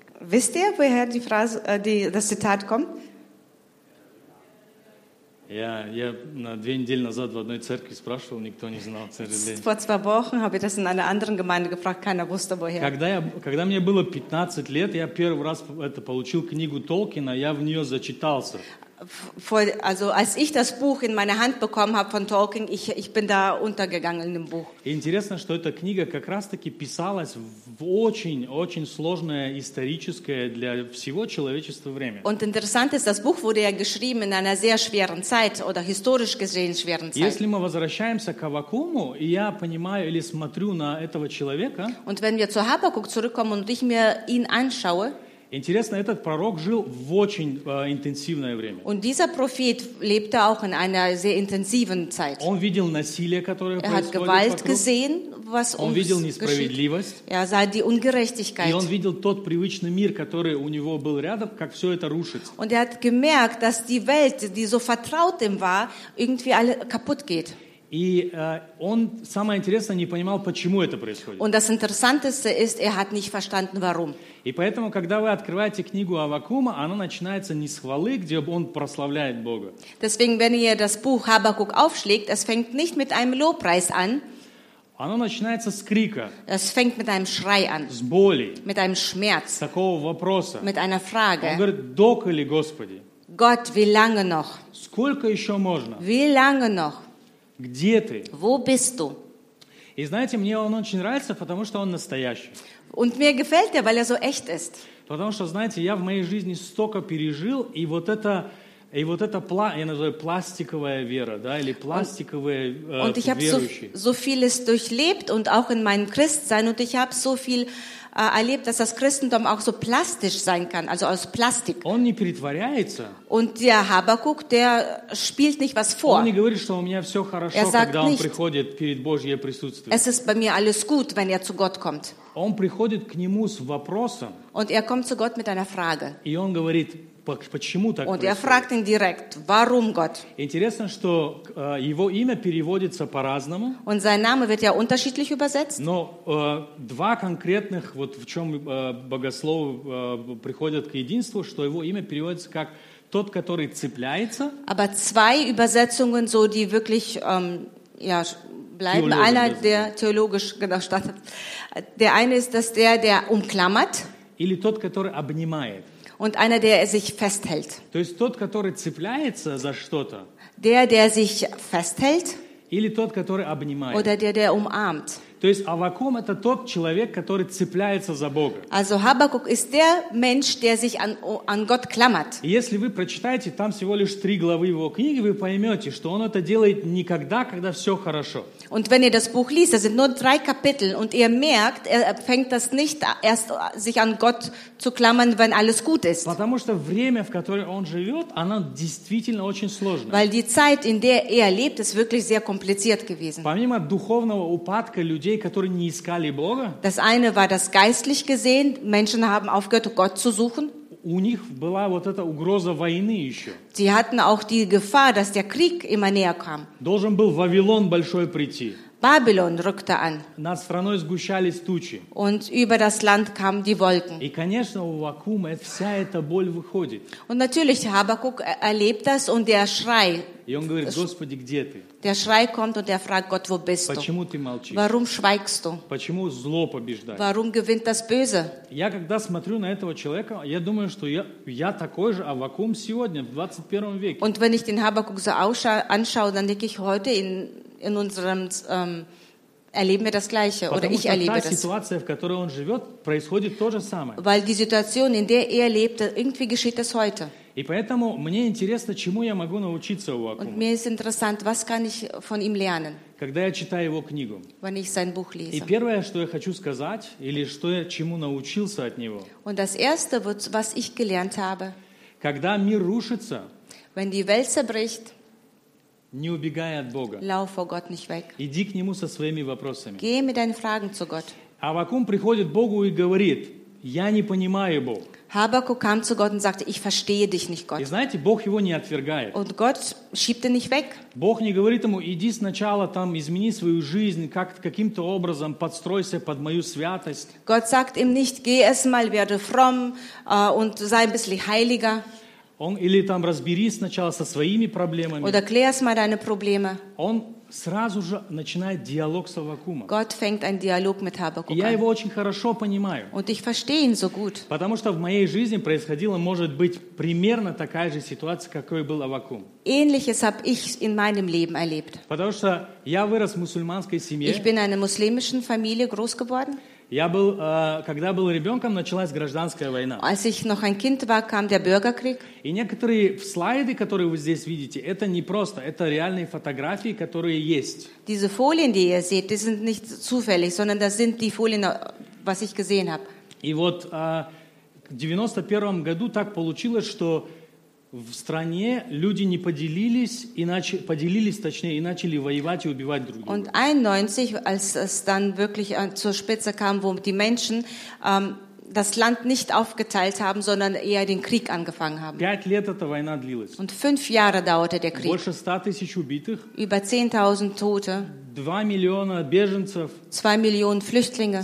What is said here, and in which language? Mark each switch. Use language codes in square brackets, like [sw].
[de] Wisst ihr, woher die Phrase, das Zitat kommt? [ru] Я на 2 недели назад в одной церкви спрашивал, никто не знал. [de] Vor 2 Wochen habe ich das in einer anderen Gemeinde gefragt, keiner wusste, woher. [ru] Когда мне было 15 лет, я первый раз это получил книгу Толкина, я в нее зачитался. [de] Also als ich das Buch in meine Hand bekommen habe von Tolkien, ich bin da untergegangen in dem Buch. [ru] Интересно, что эта книга как раз-таки писалась в очень-очень сложное историческое для всего человечества время. [de] Und interessant ist, das Buch wurde ja geschrieben in einer sehr schweren Zeit oder historisch gesehen schweren Zeit. [ru] Если мы возвращаемся к Аввакуму, и я понимаю или смотрю на этого человека. [de] Und wenn wir zu Habakkuk zurückkommen und ich mir ihn anschaue. [ru] Интересно, этот пророк жил в очень интенсивное время. [de] Und dieser Prophet lebte auch in einer sehr intensiven Zeit. [ru] Он видел насилие, которое происходит. [de] Er hat Gewalt gesehen, was [ru] он видел несправедливость. [de] Er sah die Ungerechtigkeit. [ru] И он видел тот привычный мир, который у него был рядом, как все это рушится. [de] Und hat gemerkt, dass die Welt, die so vertraut ihm war, irgendwie alle kaputt geht. [ru] И он самое интересное не понимал, почему это происходит. [de] Und das Interessanteste ist, hat nicht verstanden, warum. [ru] И поэтому, когда вы открываете книгу Аввакума, она начинается не с хвалы, где он прославляет Бога. [de] Deswegen, wenn ihr das Buch Habakkuk aufschlägt, es fängt nicht mit einem Lobpreis an. [ru] Оно начинается с крика. [de] Es fängt mit einem Schrei an. [ru] С боли. [de] Mit einem Schmerz. [ru] С такого вопроса. [de] Mit einer Frage. [ru] Он говорит: «Доколе, Господи?» [de] Gott, wie lange noch? [ru] Сколько еще можно? [de] Wie lange noch? [ru] Где ты? [de] Wo bist du? [ru] И знаете, мне он очень нравится, потому что он настоящий. [de] Und mir gefällt er, weil er so echt ist. [ru] Потому что, знаете, я в моей жизни столько пережил, и вот это... И вот это, я называю, пластиковая вера, да, или пластиковые верующие. [de] So, so vieles durchlebt und auch in meinem Christsein und ich habe so viel erlebt, dass das Christentum auch so plastisch sein kann, also aus Plastik. [ru] Он не перетворяется. [de] Und der Habakuk, der spielt nicht was vor. [ru] Он не говорит, что у меня все хорошо, когда [de] nicht, [ru] он приходит перед Божьим присутствием. [de] Es ist bei mir alles gut, wenn er zu Gott kommt. [ru] Он приходит к нему с вопросом. [de] Und er kommt zu Gott mit einer Frage. [ru] И он говорит: почему так [de] und [ru] происходит? [de] Er fragt ihn direkt, warum Gott? [ru] Интересно, что его имя переводится по-разному. [de] Und sein Name wird ja unterschiedlich übersetzt. [ru] Но два конкретных, вот в чем богословы приходят к единству, что его имя переводится как тот, который цепляется. [de] Aber zwei Übersetzungen, so die wirklich ja, bleiben. Einer, der theologisch genau startet. Der eine ist, dass der umklammert. [ru] Или тот, который обнимает. [de] Und einer, der sich festhält. [ru] То есть тот, который цепляется за что-то. [de] Der sich festhält. [ru] Или тот, который обнимает. [de] Oder der umarmt. [ru] То есть Аввакум – это тот человек, который цепляется за Бога. [de] Also Habakkuk ist der Mensch, der sich an Gott klammert. [ru] Если вы прочитаете там всего лишь три главы его книги, вы поймете, что он это делает никогда, когда все хорошо. [de] Und wenn ihr das Buch liest, das sind nur drei Kapitel, und ihr merkt, er fängt das nicht erst sich an Gott zu klammern, wenn alles gut ist. [ru] Потому что время, в которое он живет, оно действительно очень сложное. [de] Weil die Zeit, in der er lebt, ist wirklich sehr kompliziert gewesen. [ru] Помимо духовного упадка людей, которые не искали Бога. [de] Das eine war das geistlich gesehen, Menschen haben aufgehört, Gott zu suchen. [ru] У них была вот эта угроза войны еще. [de] Sie hatten auch die Gefahr, dass der Krieg immer näher kam. [ru] Должен был Вавилон большой прийти. [de] Babylon rückte an. [ru] Над страной сгущались тучи. [de] Und über das Land kamen die Wolken. [ru] И, конечно, у Аввакума вся эта боль выходит. [de] Und natürlich, Habakkuk erlebt das und der Schrei. [ru] И он говорит: Господи, где ты? [de] Der Schrei kommt und er fragt Gott, wo bist du? [ru] Почему ты молчишь? [de] Warum schweigst du? [ru] Почему зло побеждает? [de] Warum gewinnt das Böse? [ru] Я когда смотрю на этого человека, я думаю, что я такой же Аввакум сегодня, в 21 веке. [de] Und wenn ich den Habakkuk so anschaue, dann denke ich heute in unserem erleben wir das Gleiche, [ru] потому [de] oder ich erlebe das. [ru] Ситуация, в которой он живет, происходит то же самое. [de] Weil die Situation, in der er lebt, irgendwie geschieht das heute. [ru] И поэтому мне интересно, чему я могу научиться у Аввакума. [de] Und mir ist interessant, was kann ich von ihm lernen? [ru] Когда я читаю его книгу. [de] Wenn ich sein Buch lese. [ru] И первое, что я хочу сказать, или что я чему научился от него. [de] Und das Erste, was ich gelernt habe. [ru] Когда мир рушится. [de] Wenn die Welt zerbricht. [ru] Не убегай от Бога. [de] Lauf vor Gott nicht weg. [ru] Иди к нему со своими вопросами. [de] Geh mit deinen Fragen zu Gott. [ru] Аввакум приходит к Богу и говорит: я не понимаю, Бог. [de] Habakkuk kam zu Gott und sagte: ich verstehe dich nicht, Gott. [ru] И знаете, Бог его не отвергает. [de] Und Gott schiebt ihn nicht weg. [ru] Бог не говорит ему: иди сначала там, измени свою жизнь, каким-то образом подстройся под мою святость. [de] Gott sagt ihm nicht: geh erstmal, werde fromm und sei ein bisschen heiliger. [ru] Он или там разберись сначала со своими проблемами. [de] Oder klär erstmal deine Probleme. [ru] Он сразу же начинает диалог с Аввакумом. [de] Gott fängt einen Dialog mit Habakkuk an. [ru] Я его очень хорошо понимаю. [de] Und ich verstehe ihn so gut. [ru] Потому что в моей жизни происходила, может быть, примерно такая же ситуация, какой был Аввакум. [de] Ähnliches habe ich in meinem Leben erlebt. [ru] Потому что я вырос в мусульманской семье. [de] Ich bin in einer muslimischen Familie groß geworden. [ru] Я был, когда был ребенком, началась гражданская война. [de] Als ich noch ein Kind war, kam der Bürgerkrieg. [ru] И некоторые слайды, которые вы здесь видите, это не просто, это реальные фотографии, которые есть. [de] Diese Folien, die ihr seht, die sind nicht zufällig, sondern das sind die Folien, was ich gesehen habe. [ru] И вот в 91 году так получилось, что в стране люди не поделились, поделились, и начали воевать и убивать друг друга. [de] Und 91, als es dann wirklich zur Spitze kam, wo die Menschen das Land nicht aufgeteilt haben, sondern eher den Krieg angefangen haben. [ru] 5 лет эта война длилась. [de] Und 5 Jahre dauerte der Krieg. [ru] Больше 100 тысяч убитых. [de] Über 10.000 Tote. 2 Millionen Flüchtlinge.